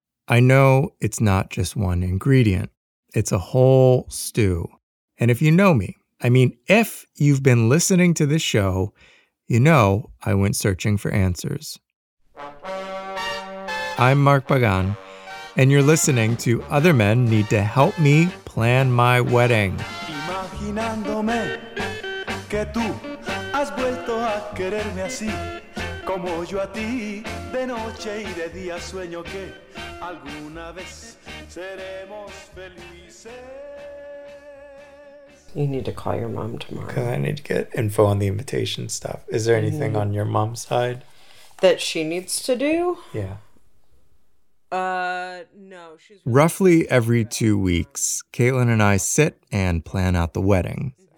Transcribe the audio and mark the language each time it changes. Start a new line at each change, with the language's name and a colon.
English: I know it's not just one ingredient. It's a whole stew. And if you know me, I mean, if you've been listening to this show, you know I went searching for answers. I'm Mark Pagan, and you're listening to Other Men Need to Help Me Plan My Wedding.
Spanish: Imaginándome que tú has vuelto a quererme así, como yo a ti, de noche y de día sueño que alguna vez seremos felices.
English: You need to call your mom tomorrow. Because I need to get info on the invitation stuff. Is there anything on your mom's side? That she needs to do? Yeah. No. She's roughly every 2 weeks, Caitlin and I sit and plan out the wedding.